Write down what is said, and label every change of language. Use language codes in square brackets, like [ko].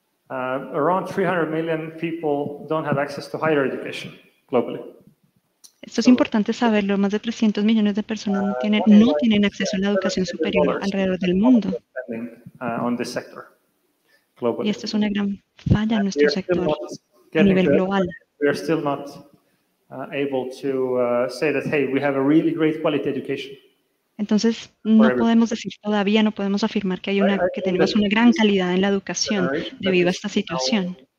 [en] Around 300 million people don't have access to higher education globally. [es] Esto es importante saberlo. Más de 300 millones de personas no tienen acceso a la educación superior alrededor del mundo. [en] On this sector, globally. [es] Y esto es una gran falla en nuestro sector a nivel global. [en] We are still not able to say that, hey, we have a really great quality education. [es] Entonces, no podemos decir todavía, no podemos afirmar que hay una que tenemos una gran calidad en la educación debido a esta situación.